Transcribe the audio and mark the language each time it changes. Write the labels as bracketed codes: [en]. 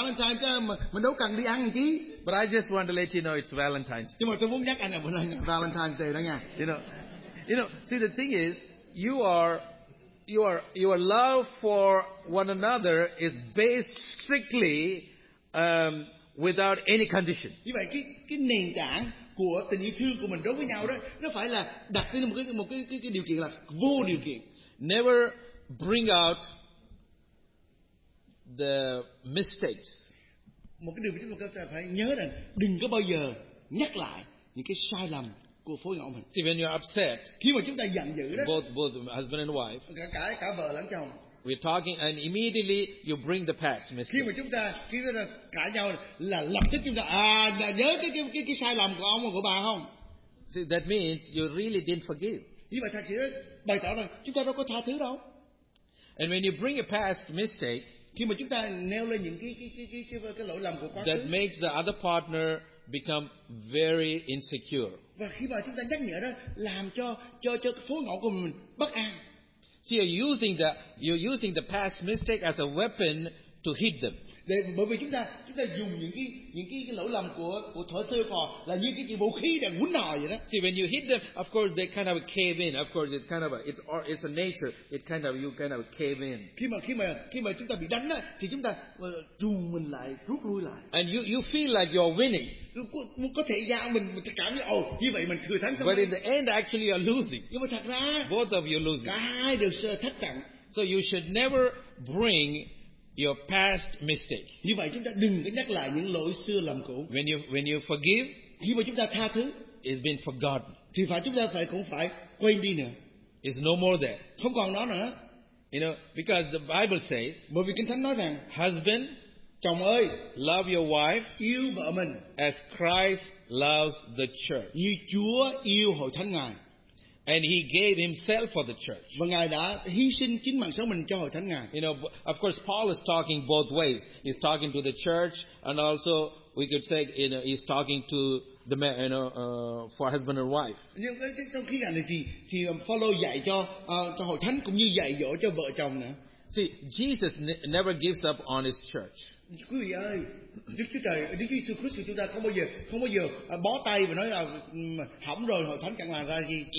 [en] But I just want to let you know it's Valentine's Day. Valentine's Day, you know, see, the thing is, your love for one another is based strictly without any condition. [vi] Như vậy, cái nền tảng của tình yêu thương của mình đối với nhau đó, nó phải là đặt lên một cái điều kiện là vô điều kiện. [en] Never bring out the mistakes. [vi] Một cái điều mà chúng ta phải nhớ rằng đừng có bao giờ nhắc lại những cái sai lầm của phối ngẫu mình. [en] See, when you're upset, [vi] khi mà chúng ta giận dữ đó, [en] both husband and wife, [vi] cả vợ lẫn chồng, [en] we're talking and immediately you bring the past mistake. [vi] Khi mà chúng ta cãi nhau là lập tức chúng ta nhớ cái sai lầm của ông của bà không? [en] See, that means you really didn't forgive. [vi] Nhưng mà thật sự bày tỏ rằng chúng ta đâu có tha thứ đâu. [en] And when you bring a past mistake, [vi] Khi mà chúng ta nêu lên những cái lỗi lầm của quá khứ, [en] that makes the other partner become very insecure. [vi] Và khi mà chúng ta nhắc nhở đó, làm cho phối ngẫu của mình bất an. [en] So you're using the past mistake as a weapon to hit them. [vi] Để, bởi vì chúng ta dùng những cái lỗi lầm của thuở xưa còn là như cái vũ khí để quấn nòi vậy đó. [en] See, when you hit them, of course they kind of cave in. Of course it's a nature. It kind of you kind of cave in. [vi] Khi mà chúng ta bị đánh á, thì chúng ta trùn mình lại, rút lui lại. [en] And you feel like you're winning. [vi] Có thể ra mình cảm thấy như vậy mình thừa thắng. [en] But in the end, actually you're losing. [vi] Nhưng mà thật ra [en] both of you losing. [vi] Cả hai đều thất trận. [en] So you should never bring your past mistake. [vi] Như vậy chúng ta đừng có nhắc lại những lỗi xưa lầm cũ. [en] When you forgive, [vi] khi mà chúng ta tha thứ, [en] it's been forgotten. [vi] Thì phải chúng ta phải cũng phải quên đi nữa. [en] It's no more there. [vi] Không còn nó nữa. [en] You know, because the Bible says, [vi] bởi vì Kinh Thánh nói rằng, [en] husband, [vi] chồng ơi, [en] love your wife, [vi] yêu vợ mình, [en] as Christ loves the church. [vi] Như Chúa yêu hội thánh Ngài. [en] And he gave himself for the church. [vi] Và Ngài đã hy sinh chính mạng sống mình cho hội thánh Ngài. [en] You know, of course, Paul is talking both ways. He's talking to the church, and also we could say, you know, he's talking to the man, you know, for husband and wife. [vi] Nhưng trong khi này thì Paul dạy cho hội thánh cũng như dạy dỗ cho vợ chồng nữa. [en] See, Jesus never gives up on his church. [vi] Quý vị ơi, Đức Chúa Trời, Đức chúng ta không bao giờ bó tay và nói là hỏng rồi, hội thánh chẳng làm ra gì.